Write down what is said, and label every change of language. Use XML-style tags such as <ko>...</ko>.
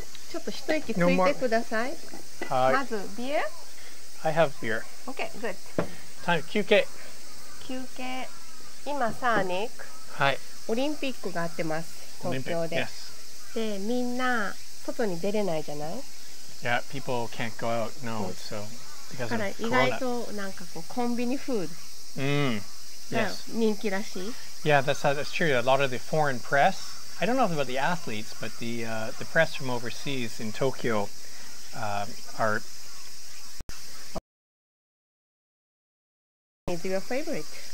<ja>ちょっと一息ついてください。はい。</ja> <en>まず、beer? I have beer. Okay, good. Time, 休憩。</en> <ja>休憩。今さ、ニック。はい。オリンピックがあってます、東京で。</ja> <en>Yes.</en> <ja>で、みんな、外に出れないじゃない？</ja> <en>Yeah, people can't go out, no, so, because of corona.</en> <ja>だから意外と、なんかこう、コンビニフード。人気らしい。</ja> <en>Yeah, that's true. A lot of the foreign press. I don't know about the athletes, but the press from overseas in Tokyo are... Is your favorite?</en>